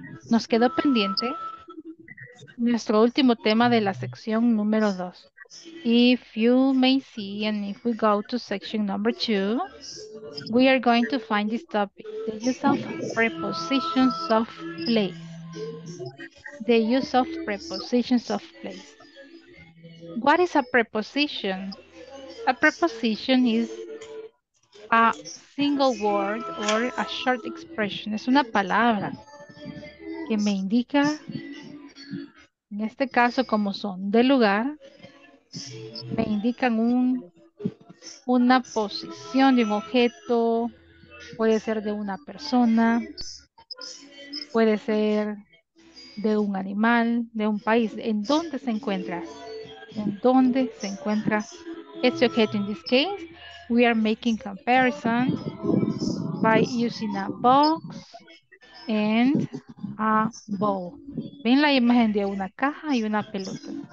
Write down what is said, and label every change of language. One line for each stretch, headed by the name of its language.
Spanish: Nos quedó pendiente nuestro último tema de la sección número 2.
English: If you may see, and if we go to section number 2, we are going to find this topic, the use of prepositions of place. The use of prepositions of place. What is a preposition? A preposition is a single word or a short expression.
Spanish: Es una palabra que me indica, en este caso, como son de lugar, me indican una posición de un objeto, puede ser de una persona, puede ser de un animal, de un país. ¿En dónde se encuentra? ¿En dónde se encuentra este objeto?
English: In this case, we are making comparison by using a box and a bowl.
Spanish: Ven la imagen de una caja y una pelota.